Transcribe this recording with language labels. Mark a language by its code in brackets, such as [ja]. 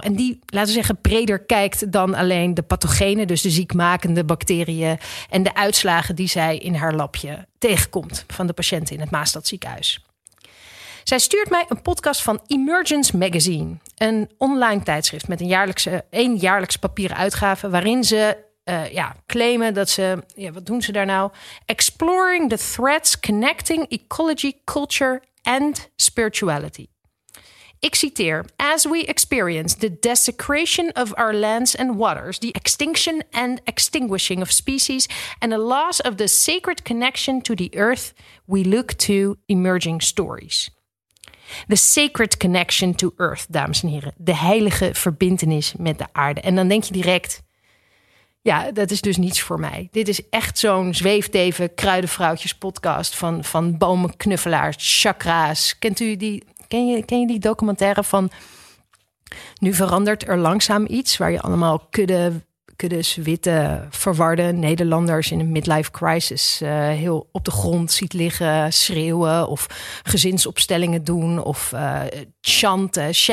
[nl] En die, laten we zeggen, breder kijkt dan alleen de pathogenen, dus de ziekmakende bacteriën en de uitslagen die zij in haar labje tegenkomt van de patiënten in het Maastadziekenhuis. Zij stuurt mij een podcast van Emergence Magazine. Een online tijdschrift met een jaarlijkse papieren uitgave waarin ze claimen dat ze, ja, wat doen ze daar nou? [en] Exploring the threats connecting ecology, culture and spirituality. [nl] Ik citeer, [en] as we experience the desecration of our lands and waters, the extinction and extinguishing of species and a loss of the sacred connection to the earth, we look to emerging stories. The sacred connection to earth, [nl] dames en heren. De heilige verbintenis met de aarde. En dan denk je direct, ja, dat is dus niets voor mij. Dit is echt zo'n zweefdeven kruidenvrouwtjes podcast van bomenknuffelaars, chakra's. Ken je die documentaire van nu verandert er langzaam iets, waar je allemaal kuddes, witte, verwarde Nederlanders in een midlife crisis heel op de grond ziet liggen, schreeuwen of gezinsopstellingen doen of chanten.